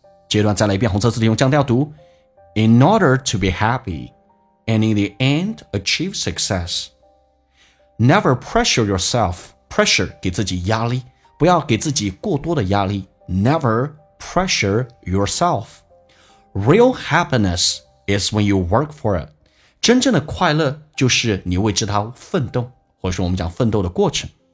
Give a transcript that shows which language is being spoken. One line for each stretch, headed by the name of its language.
Chinese: 这段再来一遍，红色字体用降调读。
English: In order to be happy, and in the end, achieve success. Never pressure yourself.
Chinese: Pressure, 给自己压力，不要给自己过多的压力。
English: Never pressure yourself. Real happiness is when you work for it.
Chinese: 真正的快乐就是你为之他奋斗，或者说我们讲奋斗的过程。